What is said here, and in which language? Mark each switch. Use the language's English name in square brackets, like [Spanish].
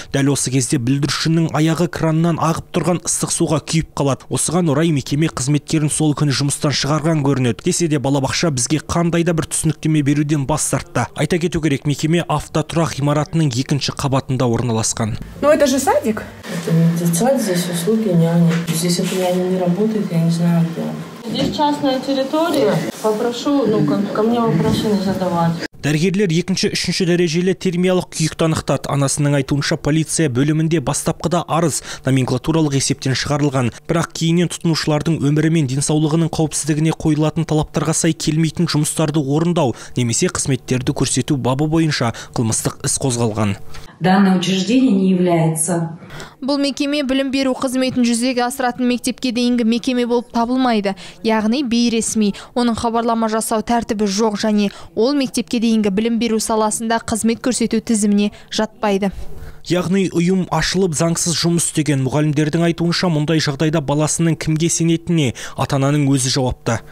[Kazakh] Дәл осы кезде бүлдіршіннің аяғы краннан ағып тұрған ыстық суға күйіп қалады. Осыған орай мекеме қызметкерін сол күні жұмыстан шығарған көрінеді. Десе де балабақша бізге қандай да бір түсініктеме беруден бас тартты. Айта кету керек, мекеме автотұрақ ғимаратының екінші қабатында орналасқан. [Russian] Но это же садик. Здесь услуги няни. Здесь эта няня не работает, я не знаю, где она. Здесь частная территория. Попрошу, ко мне вопросы не задавать. [Kazakh] Дәрігерлер екінші, үшінші дәрежелі термиялық күйікті анықтады. Анасының айтуынша полиция бөлімінде бастапқыда арыз номенклатуралық есептен шығарылған. Бірақ кейіннен тұтынушылардың өмірі мен денсаулығының қауіпсіздігіне қойылатын талаптарға сай келмейтін жұмыстарды орындау немесе қызметтерді көрсету бабы бойынша қылмыстық іс қозғалған. [Russian] Данное учреждение не является. [Kazakh] Бұл мекеме білім беру қызметін жүзеге асыратын мектепке дейінгі мекеме болып табылмайды. Яғни бейресми, оның хабарлама жасау тәртібі жоқ және ол мектепке дейінгі білім беру саласында қызмет көрсету тізіміне жатпайды. Яғни ұйым ашылып заңсыз жұмыс істеген. Мұғалімдердің айтуынша мұндай жағдайда баласының кімге сенетіне ата-ананың өзі жауапты.